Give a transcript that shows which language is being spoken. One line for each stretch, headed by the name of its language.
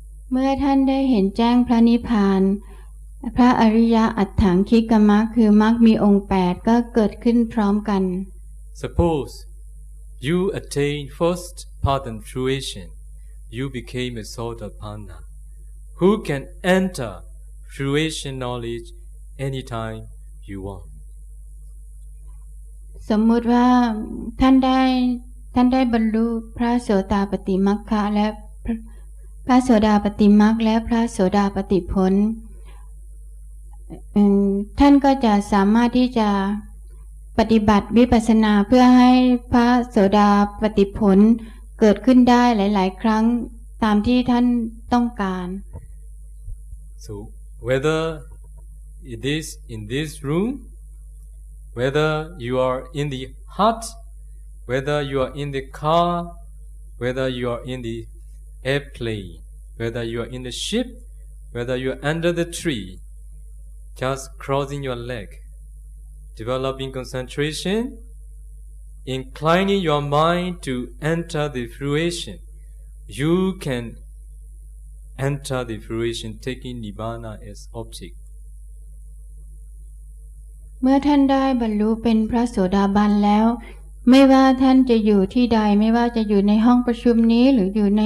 Thai: เมื่อท่านได้เห็นแจ้งพระนิพพานพระอริยอัตถังคิกมรรคคือมรรคมีองค์8ก็เกิดขึ้นพร้อมกัน
English: Suppose you attain first path and fruition you became a sotapanna Who can enter fruition knowledge anytime you want?
Thai: สมมุติว่าท่านได้ ท่านได้บรรลุพระโสดาปัตติมรรคะและพระโสดาปัตติมรรคและพระโสดาปัตติผลท่านก็จะสามารถที่จะปฏิบัติวิปัสสนาเพื่อให้พระโสดาปัตติผลเกิดขึ้นได้หลายๆครั้งตามที่ท่านต้องการ
English: So whether it is in this room, whether you are in the hut, whether you are in the car, whether you are in the airplane, whether you are in the ship, whether you are under the tree, just crossing your leg, developing concentration,Inclining your mind to enter the fruition, you can enter the fruition, taking Nibbana as object.
Thai: เมื่อท่านได้บรรลุเป็นพระโสดาบันแล้วไม่ว่าท่านจะอยู่ที่ใดไม่ว่าจะอยู่ในห้องประชุมนี้หรืออยู